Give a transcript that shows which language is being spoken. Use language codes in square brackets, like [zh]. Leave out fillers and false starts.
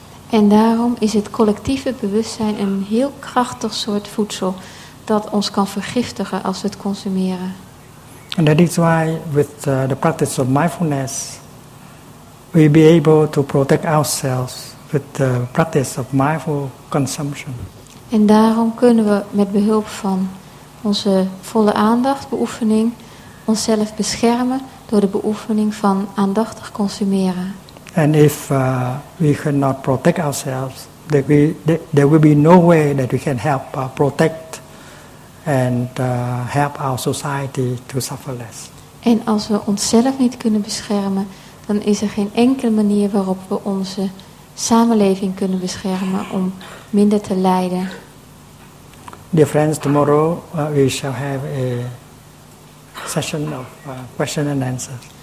[nl] En daarom is het collectieve bewustzijn een heel krachtig soort voedsel dat ons kan vergiftigen als we het consumeren. [en] And that is why with the practice of mindfulness we be able to protect ourselves with the practice of mindful consumption. [nl] En daarom kunnen we met behulp van onze volle aandacht beoefening onszelf beschermen door de beoefening van aandachtig consumeren. [en] And if we cannot protect ourselves, there will be no way that we can help protect and help our society to suffer less. [nl] En als we onszelf niet kunnen beschermen, dan is er geen enkele manier waarop we onze samenleving kunnen beschermen om minder te lijden. [en] Dear friends, tomorrow we shall have a session of question and answer.